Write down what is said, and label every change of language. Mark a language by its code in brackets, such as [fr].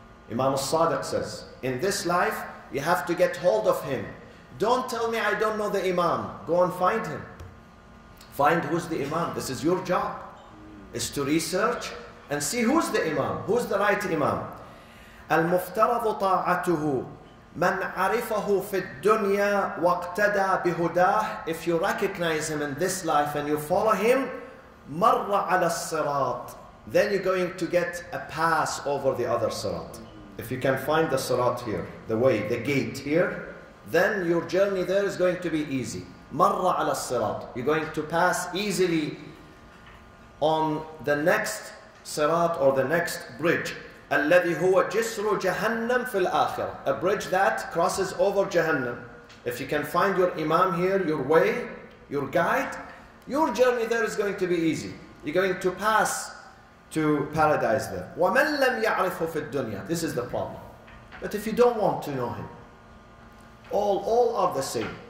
[en] Imam al-Sadiq says, in this life, you have to get hold of him. Don't tell me I don't know the Imam. Go and find him. Find who's the Imam. This is your job, is to research and see who's the Imam, who's the right Imam. [ar] المفترض طاعته من عرفه في الدنيا واقتدى بهداه. [en] If you recognize him in this life and you follow him, [ar] مر على الصراط, [en] then you're going to get a pass over the other صراط. If you can find the صراط here, the way, the gate here, then your journey there is going to be easy. [ar] مر على الصراط. [en] You're going to pass easily on the next صراط or the next bridge. [ar] الذي هو جسر جهنم في الآخرة. [en] A bridge that crosses over Jahannam. If you can find your Imam here, your way, your guide, your journey there is going to be easy. You're going to pass to paradise there. [ar] ومن لم يعرفه في الدنيا. [en] This is the problem. But if you don't want to know him, all are the same.